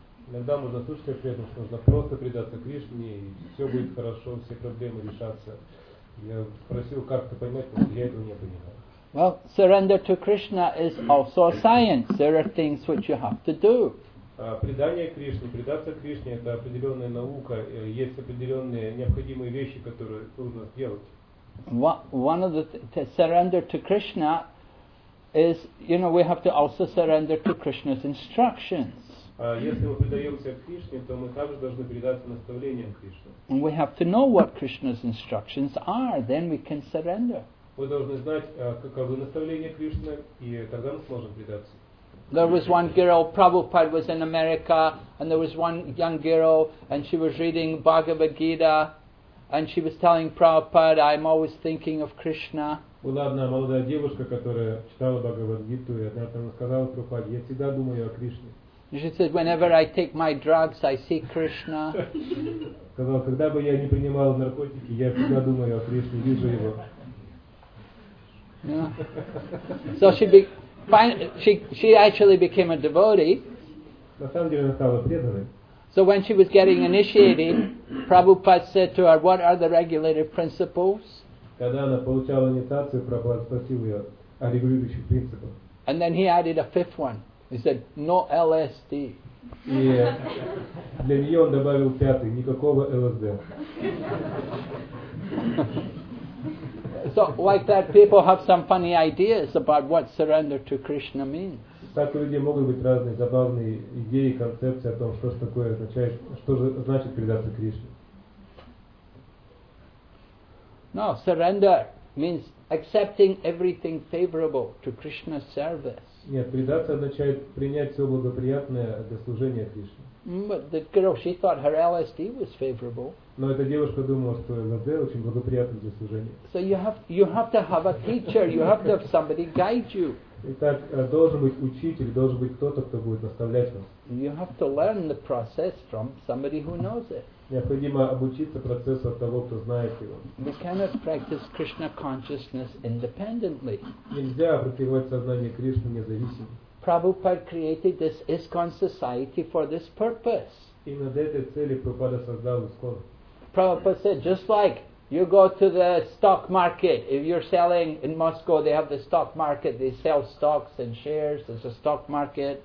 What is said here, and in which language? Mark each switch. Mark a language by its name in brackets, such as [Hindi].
[Russian] Иногда можно слушать о Кришне, что нужно просто предаться Кришне, и все будет хорошо, все проблемы решатся. Я спросил, как это понимать, потому что я этого не понимаю. [English] Well, surrender to Krishna is also a science. There are things which you have to do. [Russian] Предание Кришне, предаться Кришне – это определенная наука. Есть определенные необходимые вещи, которые нужно сделать. [English] One of the surrender to Krishna is, you know, we have to also surrender to Krishna's instructions. [Russian] Если мы предаемся Кришне, то мы также должны предаться наставлениям Кришны. [English] We have to know what Krishna's instructions are, then we can surrender. [Russian] Мы должны знать, каковы наставления Кришны, и тогда мы сможем предаться. [English] There was one girl, Prabhupada was in America, and there was one young girl, and she was reading Bhagavad Gita, and she was telling Prabhupada, "I'm always thinking of Krishna." [Russian] Была одна молодая девушка, которая читала Бхагавад Гиту, и она там сказала Прабхупаде, "Я всегда думаю о Кришне." [English] She said, "Whenever I take my drugs, I see Krishna." [Russian] Сказала, когда бы я не принимал наркотики, я всегда думаю о Кришне, вижу его. [English] Yeah. So she actually became a devotee. [Russian] На самом деле она стала преданной. [English] So when she was getting initiated, Prabhupada said to her, "What are the regulative principles?" [Russian] Когда она получала инициацию, Прабхупада спросил ее о регулирующих принципах. [English] And then he added a fifth one. He said, "No LSD." [Russian] И для нее он добавил пятый, никакого ЛСД. [English] So, like that, people have some funny ideas about what surrender to Krishna means. [Russian] Так у людей могут быть разные забавные идеи, концепции о том, что же такое означает, что же значит предаться Кришне. [English] No, surrender means accepting everything favorable to Krishna's service. [Russian] Нет, предаться означает принять все благоприятное для служения Кришне. [English] But the girl, she thought her LSD was favorable. [Russian] Но эта девушка думала, что ЛСД очень благоприятно для служения. [English] So you have to have a teacher, you have to have somebody guide you. [Russian] Итак, должен быть учитель, должен быть кто-то, кто будет наставлять вас. [English] You have to learn the process from somebody who knows it. [Russian] Необходимо обучиться процессу от того, кто знает его. [English] We cannot practice Krishna consciousness independently. [Russian] Нельзя практиковать сознание Кришны независимо. [English] Prabhupada created this ISKCON society for this purpose. [Russian] Именно для этой цели Прабхупада создал ИСКОН. [English] Prabhupada said, just like you go to the stock market, if you're selling in Moscow, they have the stock market, they sell stocks and shares, there's a stock market.